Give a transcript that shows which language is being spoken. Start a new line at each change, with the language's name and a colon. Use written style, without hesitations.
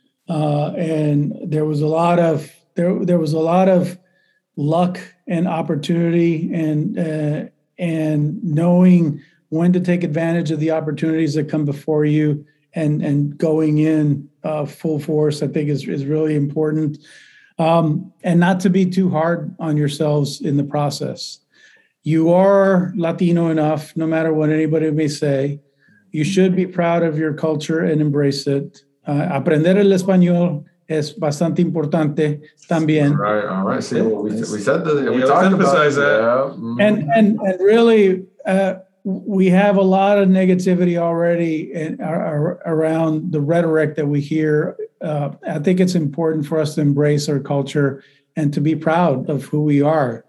English: And there was a lot of there was a lot of luck and opportunity and knowing when to take advantage of the opportunities that come before you and going in full force, I think is really important. And not to be too hard on yourselves in the process. You are Latino enough, no matter what anybody may say. You should be proud of your culture and embrace it.
Spanish: Aprender el español es bastante importante también.
English: All right. See, well, we said that. We talked about that. Yeah. And really, we have a lot of negativity already around the rhetoric that we hear. I think it's important for us to embrace our culture and to be proud of who we are.